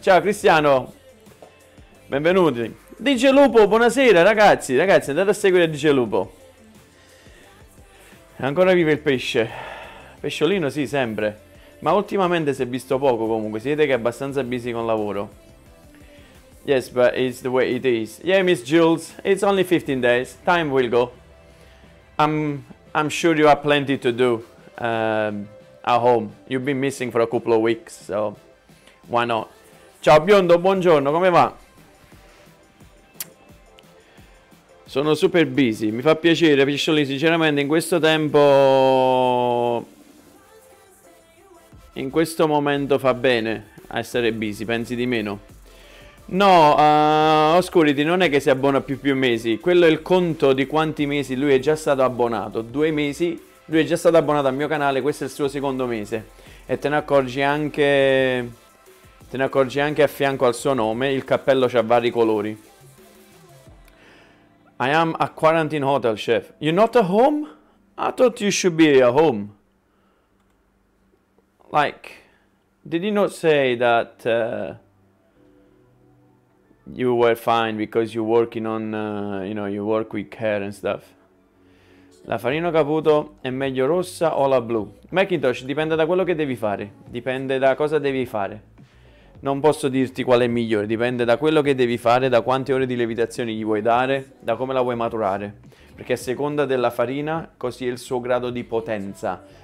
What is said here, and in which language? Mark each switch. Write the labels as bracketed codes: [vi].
[it] Ciao Cristiano, benvenuti. DJ Lupo, buonasera ragazzi, ragazzi andate a seguire DJ Lupo. Ancora vive il pesce, pesciolino sì, sempre, ma ultimamente si è visto poco comunque, si vede che è abbastanza busy con lavoro. [en] Yes, but it's the way it is. Yeah, Miss Jules, it's only 15 days, time will go. I'm sure you have plenty to do. At home, you've been missing for a couple of weeks, so why not? [it] Ciao Biondo, buongiorno, come va? Sono super busy, mi fa piacere, Piccioli, sinceramente in questo tempo, in questo momento fa bene essere busy, pensi di meno. No, Oscurity, non è che si abbona più mesi, quello è il conto di quanti mesi lui è già stato abbonato, 2 mesi. Lui è già stato abbonato al mio canale, questo è il suo secondo mese. E te ne accorgi anche a fianco al suo nome, il cappello c'ha vari colori. [en] I am a quarantine hotel chef. You're not at home? I thought you should be at home. Like, did you not say that you were fine because you're working on, you know, you work with care and stuff? [it] La farina Caputo è meglio rossa o la blu? Macintosh, dipende da quello che devi fare. Dipende da cosa devi fare. Non posso dirti qual è migliore. Dipende da quello che devi fare, da quante ore di lievitazione gli vuoi dare, da come la vuoi maturare. Perché a seconda della farina, così è il suo grado di potenza.